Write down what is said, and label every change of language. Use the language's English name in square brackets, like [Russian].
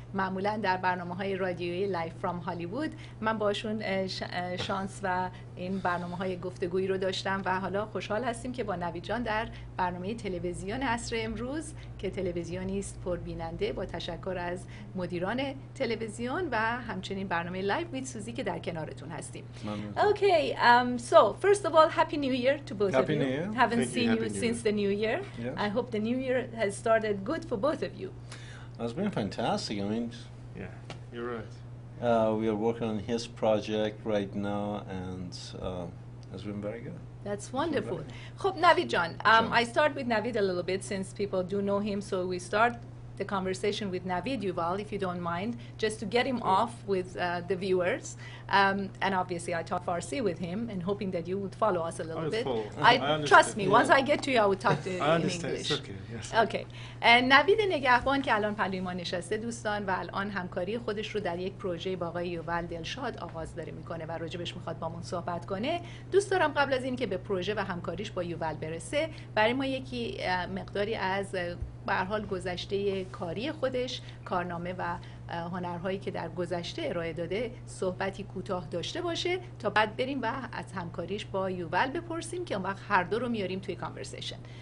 [Persian] معمولا در برنامه های رادیویی Live from Hollywood من باشون شانس و این برنامه های گفتگویی رو داشتم و حالا خوشحال هستیم که با نوید جان در برنامه تلویزیون عصر امروز که تلویزیونی است پربیننده، با تشکر از مدیران تلویزیون و همچنین برنامه لایو ویت سوزی که در کنارتون هستیم. [English] Okay, so first of all happy new year to both of you. Haven't seen you since the new year. I hope the new year has started good for both of you. It's been fantastic. I mean, yeah you are right. We are working on his project right now and has been very good. That's wonderful. [Persian] خب نوید جان، [English] I start with Navid a little bit since people do know him, so we start the conversation with Navid Yuval, if you don't mind, just to get him off with the viewers. And obviously I talk Farsi with him and hoping that you would follow us a little bit. I trust me, once I get to you I will talk to you in understand. English. I understand, it's okay. Yes. Okay. And [Persian] Navid نگهبان که الان پلوی ما نشسته دوستان و الان همکاری خودش رو در یک پروژه با آقای یووال دلشاد آغاز داره میکنه و راجبش میخواد با من صحبت کنه. دوست دارم قبل از این که به پروژه و همکاریش با یووال برسه، برای ما یکی مقداری از به هر حال گذشته کاری خودش، کارنامه و هنرهایی که در گذشته ارائه داده صحبتی کوتاه داشته باشه تا بعد بریم و از همکاریش با یووال بپرسیم که اون وقت هر دو رو میاریم توی کانورسیشن.